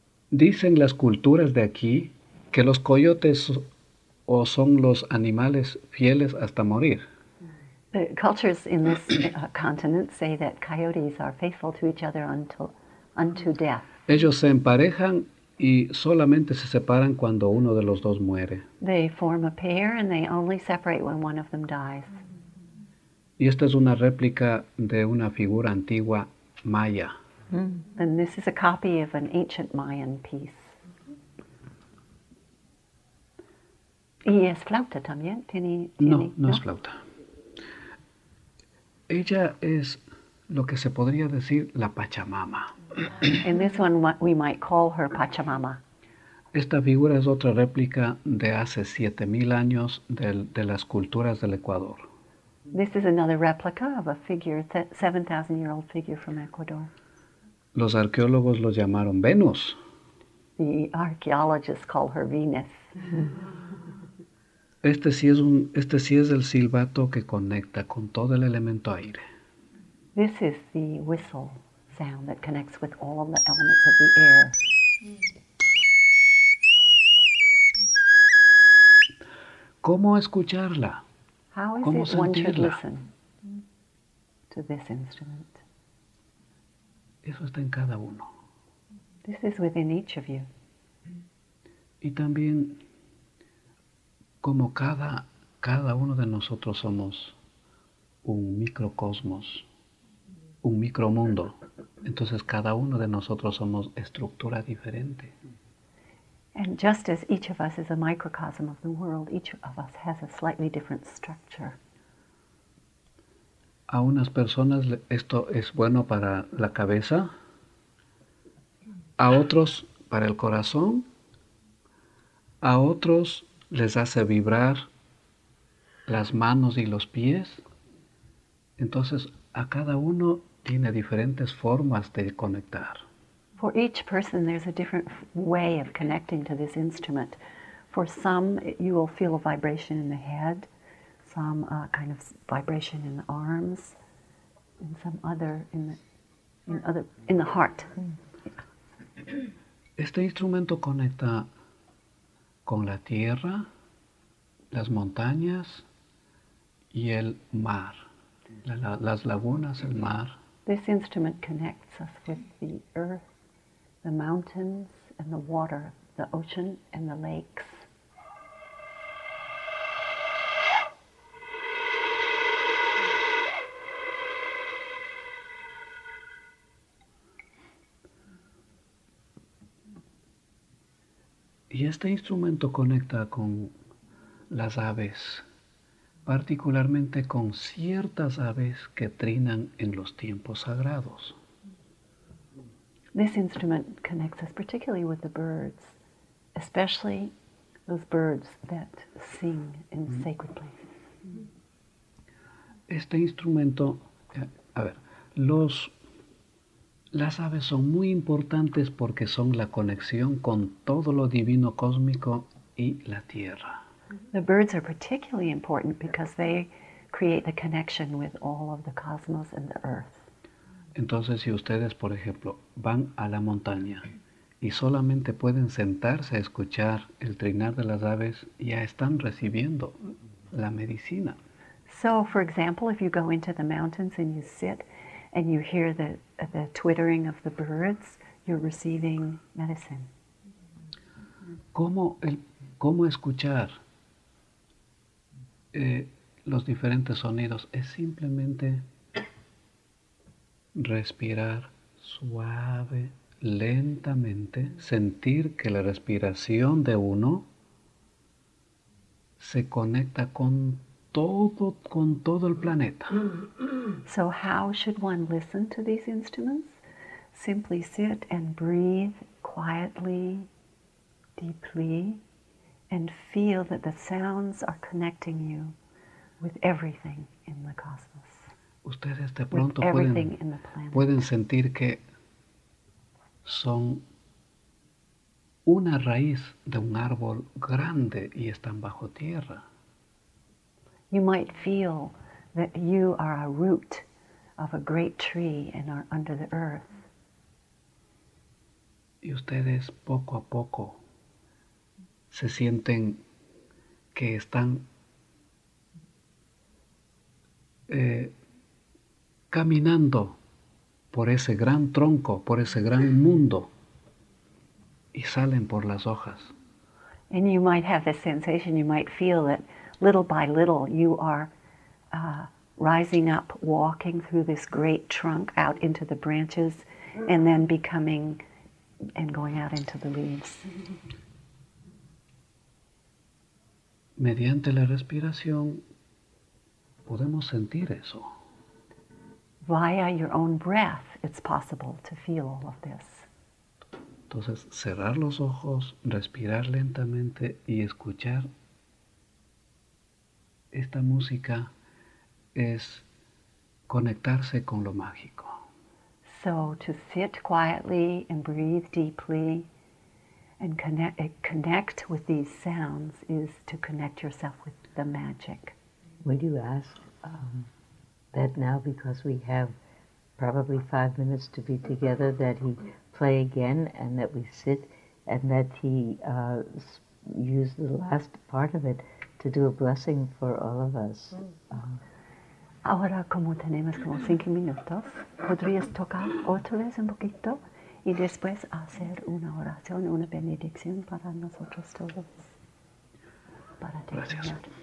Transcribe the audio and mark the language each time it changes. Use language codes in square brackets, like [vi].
[es] Dicen las culturas de aquí que los coyotes o son los animales fieles hasta morir. [en] The cultures in this continent say that coyotes are faithful to each other unto death. [es] Ellos se emparejan y solamente se separan cuando uno de los dos muere. [en] They form a pair and they only separate when one of them dies. [es] Y esta es una réplica de una figura antigua maya. Mm. [en] And this is a copy of an ancient Mayan piece. [es] ¿Y es flauta también? ¿Tiene? No, es flauta. Ella es lo que se podría decir la Pachamama. [en] In this one, we might call her Pachamama. [es] Esta figura es otra réplica de hace 7,000 años de las culturas del Ecuador. [en] This is another replica of a figure, 7,000-year-old figure from Ecuador. [es] Los arqueólogos lo llamaron Venus. [en] The archaeologists call her Venus. [es] Este sí es el silbato que conecta con todo el elemento aire. [en] This is the whistle sound that connects with all the elements of the air. [es] ¿Cómo escucharla? [en] How is [es] ¿Cómo [en] it [es] sentirla? [en] One should listen to this instrument? [es] Eso está en cada uno. [en] This is within each of you. [es] Y también, como cada uno de nosotros somos un microcosmos, un micromundo, entonces cada uno de nosotros somos estructura diferente. [en] And just as each of us is a microcosm of the world, each of us has a slightly different structure. [es] A unas personas esto es bueno para la cabeza, a otros para el corazón, a otros les hace vibrar las manos y los pies. Entonces, a cada uno tiene diferentes formas de conectar. [en] For each person, there's a different way of connecting to this instrument. For some, you will feel a vibration in the head, some kind of vibration in the arms, and some other in the heart. [es] Este instrumento conecta con la tierra, las montañas y el mar, las lagunas, el mar. [en] This instrument connects us with the earth, the mountains and the water, the ocean and the lakes. [es] Y este instrumento conecta con las aves, particularmente con ciertas aves que trinan en los tiempos sagrados. [en] This instrument connects us particularly with the birds, especially those birds that sing in sacred places. [es] Este instrumento, a ver, las aves son muy importantes porque son la conexión con todo lo divino cósmico y la tierra. [en] The birds are particularly important because they create the connection with all of the cosmos and the earth. [es] Entonces, si ustedes, por ejemplo, van a la montaña y solamente pueden sentarse a escuchar el trinar de las aves, ya están recibiendo la medicina. [en] So, for example, if you go into the mountains and you sit and you hear the twittering of the birds, you're receiving medicine. [es] ¿Cómo escuchar los diferentes sonidos? Es simplemente respirar suave, lentamente, sentir que la respiración de uno se conecta con todo el planeta. [en] So how should one listen to these instruments? Simply sit and breathe quietly, deeply, and feel that the sounds are connecting you with everything in the cosmos. [es] Ustedes de pronto pueden sentir que son una raíz de un árbol grande y están bajo tierra. [en] You might feel that you are a root of a great tree and are under the earth. [es] Y ustedes poco a poco se sienten que están caminando por ese gran tronco, por ese gran mundo, y salen por las hojas. [en] And you might have the sensation, you might feel that little by little you are rising up, walking through this great trunk out into the branches, and then becoming and going out into the leaves. [es] Mediante la respiración podemos sentir eso. [en] Via your own breath, it's possible to feel all of this. [es] Entonces, cerrar los ojos, respirar lentamente y escuchar esta música es conectarse con lo mágico. [en] So to sit quietly and breathe deeply and connect with these sounds is to connect yourself with the magic. Would you ask that now, because we have probably 5 minutes to be together, that he play again and that we sit and that he use the last part of it to do a blessing for all of us? [es] Ahora, como tenemos como 5 minutos, podrías tocar otra vez un poquito y después hacer una oración, una bendición para nosotros todos. Para terminar. Gracias.